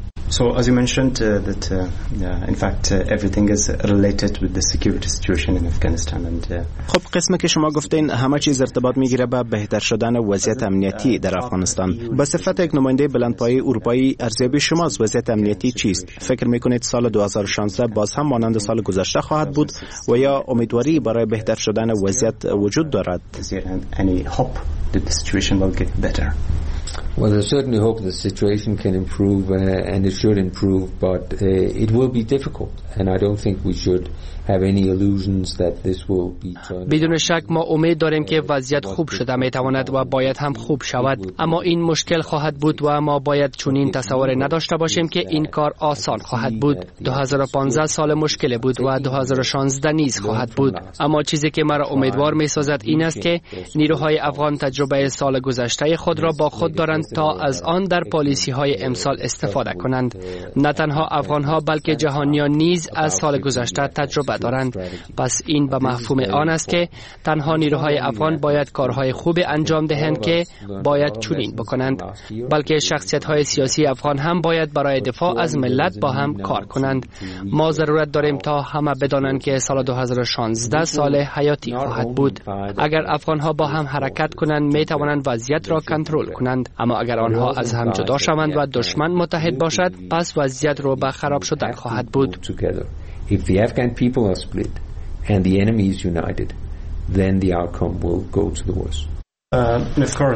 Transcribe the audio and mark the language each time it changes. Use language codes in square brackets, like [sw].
[en] So as you mentioned that in fact everything is related with the security situation in Afghanistan and [fa] خب قسمی که شما گفتین همه چیز ارتباط میگیره به بهتر شدن وضعیت امنیتی در افغانستان. به صفت یک نماینده بلندپایه اروپایی، ارزیابی شما از وضعیت امنیتی چیست؟ فکر میکنید سال 2016 باز هم مانند سال گذشته خواهد بود و یا امیدواری برای بهتر شدن وضعیت وجود دارد؟ Any hope that the situation will get better? Well, there's certainly hope the situation can improve and it should improve, but it will be difficult and I don't think we should have any illusions that this will be turned. بدون شک ما امید داریم که وضعیت خوب شده میتواند و باید هم خوب شود، اما این مشکل خواهد بود و ما باید چنین تصور نداشته باشیم که این کار آسان خواهد بود. 2015 سال مشکل بود و 2016 نیز خواهد بود، اما چیزی که مرا امیدوار میسازد این است که نیروهای افغان تجربه سال گذشته خود را با خود دارند تا از آن در پالیسی های امسال استفاده کنند. نه تنها افغان ها بلکه جهانیان نیز از سال گذشته تجربه بدارند. پس این به مفهوم آن است که تنها نیروهای افغان باید کارهای خوب انجام دهند که باید چنین بکنند، بلکه شخصیت‌های سیاسی افغان هم باید برای دفاع از ملت با هم کار کنند. ما ضرورت داریم تا همه بدانند که سال 2016 سال حیاتی خواهد بود. اگر افغان‌ها با هم حرکت کنند می توانند وضعیت را کنترل کنند، اما اگر آنها از هم جدا شوند و دشمن متحد باشد، پس وضعیت رو به خراب شدن خواهد بود. [en] If the Afghan people are split and the enemy is united, then the outcome will go to the worst.